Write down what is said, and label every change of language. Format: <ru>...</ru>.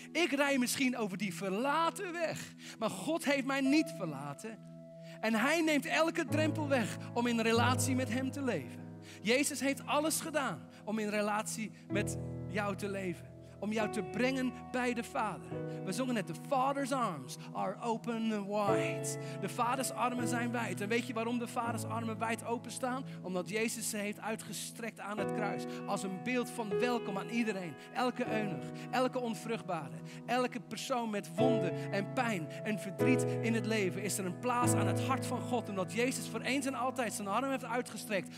<nl>Ik rij misschien over die verlaten weg. Maar God heeft mij niet verlaten. En hij neemt elke drempel weg om in relatie met hem te leven. Jezus heeft alles gedaan om in relatie met jou te leven. Om jou te brengen bij de Vader. We zongen net,</nl> <en>the Father's arms are open and wide.</en> <nl>De Vaders armen zijn wijd. En weet je waarom de Vaders armen wijd openstaan? Omdat Jezus ze heeft uitgestrekt aan het kruis. Als een beeld van welkom aan iedereen. Elke eunuch, elke onvruchtbare, elke persoon met wonden en pijn en verdriet in het leven. Is er een plaats aan het hart van God. Omdat Jezus voor eens en altijd zijn arm heeft uitgestrekt.</nl>